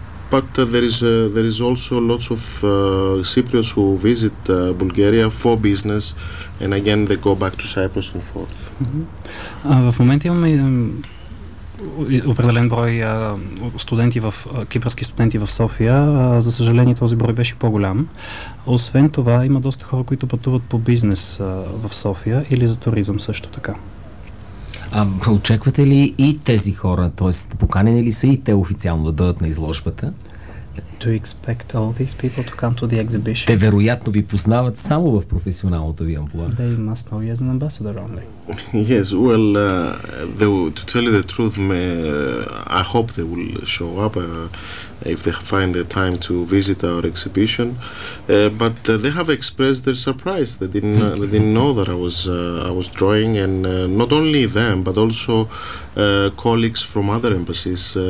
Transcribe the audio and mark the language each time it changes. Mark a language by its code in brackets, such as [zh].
[en] But there is also lots of Cypriots who visit Bulgaria for business and again they go back to Cyprus and forth. [bg] В момента имаме определен брой студенти в кипърски студенти в София. За съжаление, този брой беше по-голям. Освен това, има доста хора, които пътуват по бизнес в София или за туризъм също така. Очаквате ли и тези хора, т.е. поканени ли са и те официално да дойдат на изложбата? [en] Do you expect all these people to come to the exhibition? [bg] Те вероятно ви познават само в професионалното ви амплуа. [en] They must know you as an ambassador only. Yes, well, to tell you the truth, I hope they will show up if they find the time to visit our exhibition. But they have expressed their surprise. They didn't know that I was drawing, and not only them, but also colleagues from other embassies.